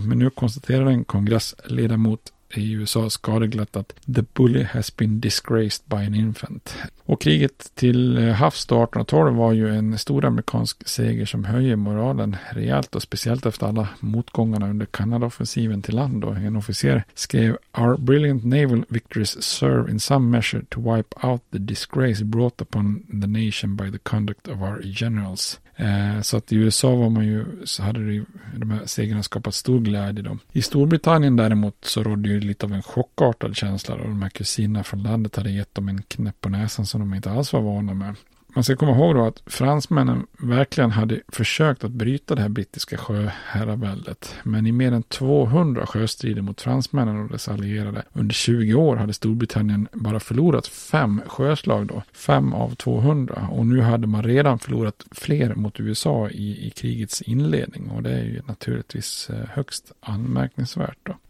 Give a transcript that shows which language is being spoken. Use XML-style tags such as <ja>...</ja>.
<sv>Men nu konstaterade en kongressledamot i USA skadeglatt att</sv> <en>the bully has been disgraced by an infant.</en> <sv>Och kriget till havs 1812 var ju en stor amerikansk seger som höjer moralen rejält, och speciellt efter alla motgångarna under Kanada-offensiven till land. Och en officer skrev:</sv> <en>"Our brilliant naval victories serve in some measure to wipe out the disgrace brought upon the nation by the conduct of our generals."</en> <sv>Så att i USA var man ju, så hade ju de här segrarna skapat stor glädje då. I Storbritannien däremot så rådde ju lite av en chockartad känsla, och de här kusinerna från landet hade gett dem en knäpp på näsan som de inte alls var vana med. Man ska komma ihåg då att fransmännen verkligen hade försökt att bryta det här brittiska sjöherraväldet, men i mer än 200 sjöstrider mot fransmännen och dess allierade under 20 år hade Storbritannien bara förlorat 5 sjöslag då, 5 av 200, och nu hade man redan förlorat fler mot USA i krigets inledning, och det är ju naturligtvis högst anmärkningsvärt då.</sv>